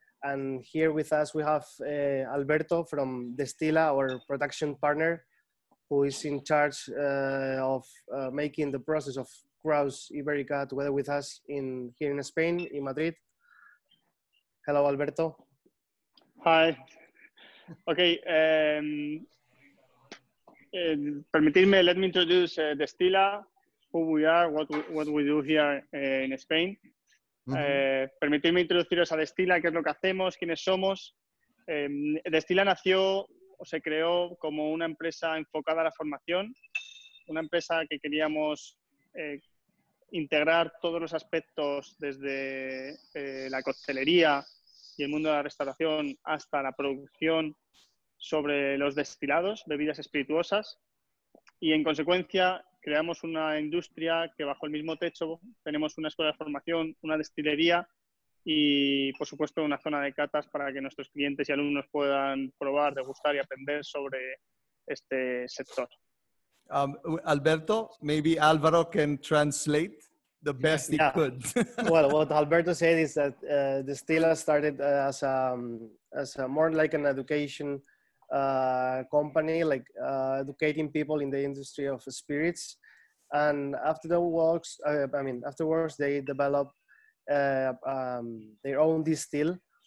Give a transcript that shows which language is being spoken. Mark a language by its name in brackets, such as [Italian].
[English] And here with us, we have Alberto from DSTILA, our production partner, who is in charge of making the process of Crows Ibérica together with us here in Spain, in Madrid. Hello, Alberto. Hi. Okay. [Spanish] Permitidme, [English] let me introduce DSTILA, who we are, what we do here in Spain. [Spanish] Permitidme introduciros a DSTILA, qué es lo que hacemos, quiénes somos. DSTILA nació o se creó como una empresa enfocada a la formación, una empresa que queríamos integrar todos los aspectos desde la coctelería y el mundo de la restauración hasta la producción sobre los destilados, bebidas espirituosas, y en consecuencia creamos una industria que bajo el mismo techo tenemos una escuela de formación, una destilería y, por supuesto, una zona de catas para que nuestros clientes y alumnos puedan probar, degustar y aprender sobre este sector. [English] Alberto, maybe Álvaro can translate the best he could. Well, what Alberto said is that DSTILA started as a more like an education company, like educating people in the industry of spirits, and afterwards they develop their own distill